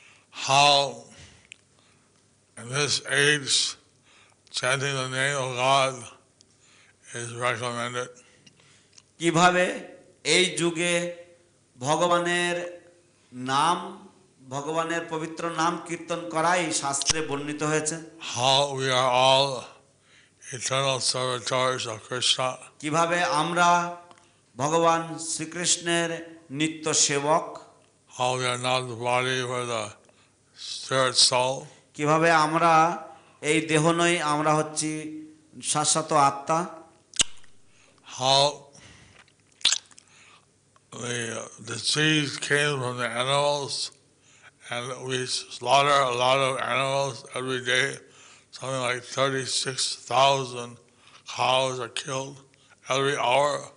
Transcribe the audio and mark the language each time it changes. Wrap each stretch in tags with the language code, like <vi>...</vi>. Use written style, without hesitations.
<en>How in this age Chanting the name of God is recommended.</en> <bn>কিভাবে এই যুগে ভগবানের নাম ভগবানের পবিত্র নাম কীর্তন করাই শাস্ত্রে বর্ণিত হয়েছে</bn> <en>How we are all eternal servitors of Krishna.</en> <bn>কিভাবে আমরা ভগবান শ্রীকৃষ্ণের নিত্য সেবক</bn> <en>How we are not the body but the spirit soul.</en> <bn>কিভাবে আমরা এই দেহ নয় আমরা হচ্ছি শাশ্বত আত্মা</bn> <en>how the disease came from the animals, and we slaughter a lot of animals every day. Something like 36,000 cows are killed every hour.</en>